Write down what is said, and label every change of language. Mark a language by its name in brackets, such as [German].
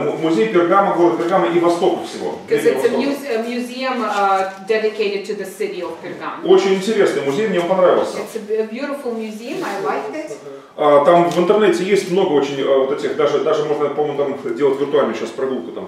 [Russian] Музей Пергама, город Пергама и Востока всего. [English] Because it's a museum dedicated to the city of Pergamon. [Russian] Очень интересный музей, мне он понравился. [English] It's a beautiful museum, I like it. [Russian] Там в интернете есть много очень вот этих, даже можно, по-моему, там делать виртуально сейчас прогулку там.